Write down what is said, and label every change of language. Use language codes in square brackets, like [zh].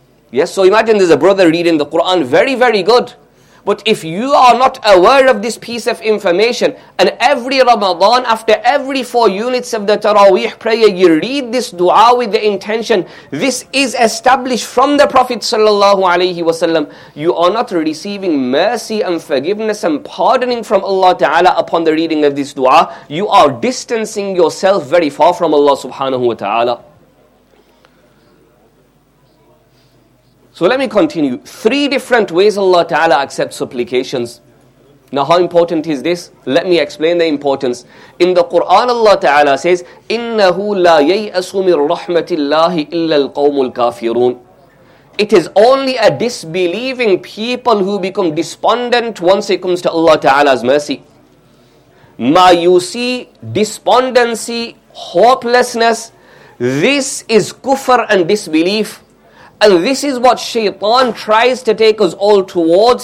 [en] Yes, so imagine there's a brother reading the Quran, very, very good. But if you are not aware of this piece of information, and every Ramadan, after every four units of the Taraweeh prayer, you read this dua with the intention, this is established from the Prophet sallallahu alaihi wasallam, you are not receiving mercy and forgiveness and pardoning from Allah Ta'ala upon the reading of this dua. You are distancing yourself very far from Allah subhanahu wa ta'ala. So let me continue. Three different ways Allah Ta'ala accepts supplications. Now how important is this? Let me explain the importance. In the Quran, Allah Ta'ala says, [ar] إِنَّهُ لَا يَيْأَسُ مِن رَحْمَةِ اللَّهِ إِلَّا الْقَوْمُ الْكَافِرُونَ. [en] It is only a disbelieving people who become despondent once it comes to Allah Ta'ala's mercy. Mayusi, despondency, hopelessness, this is kufr and disbelief. And this is what Shaytan tries to take us all towards.